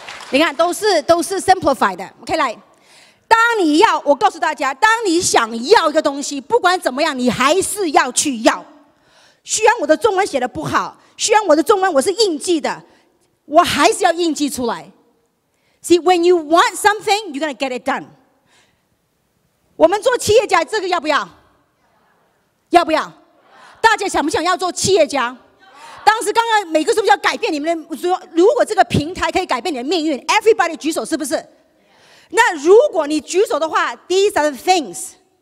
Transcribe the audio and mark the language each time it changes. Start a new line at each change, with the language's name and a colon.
Chinese: 你看，都是 simplified 的。 OK， 来，当你要，我告诉大家，当你想要一个东西，不管怎么样，你还是要去要。虽然我的中文写的不好，虽然我的中文我是硬记的，我还是要硬记出来。
English: See, when you want something, you're gonna get it done.
Chinese: 我们做企业家，这个要不要？要不要？大家想不想要做企业家？当时刚刚每个是不是要改变你们的？如果这个平台可以改变你的命运 ，everybody 举手是不是？那如果你举手的话 ，
English: these are the things。